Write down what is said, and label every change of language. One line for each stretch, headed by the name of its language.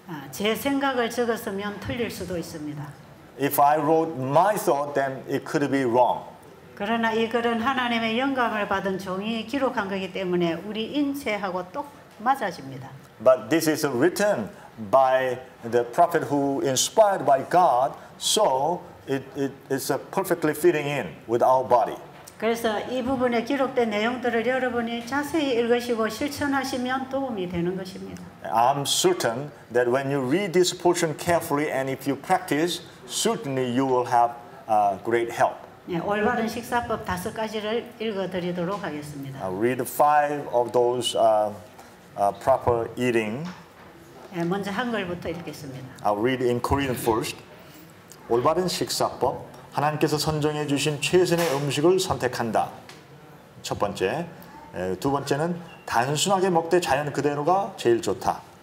Korean: 제 생각을 적었으면 틀릴 수도 있습니다.
English: If I wrote my thought, then it could be wrong.
Korean: 그러나 이 글은 하나님의 영감을 받은 종이 기록한 것이기 때문에 우리 인체하고 똑 맞아집니다.
English: But this is written by the prophet who inspired by God, so it's a perfectly fitting in with our body.
Korean: 그래서 이 부분에 기록된 내용들을 여러분이 자세히 읽으시고 실천하시면 도움이 되는 것입니다.
English: I'm certain that when you read this portion carefully and if you practice, certainly you will have great help.
Korean: 네, 올바른 식사법 다섯 가지를 읽어드리도록 하겠습니다.
English: I'll read five of those proper eating.
Korean: 네, 먼저 한글부터 읽겠습니다.
English: I'll read in Korean first.
Korean: 올바른 식사법. 하나님께서 선정해 주신 최선의 음식을 선택한다. 첫 번째, 두 번째는 단순하게 먹되 자연 그대로가 제일 좋다.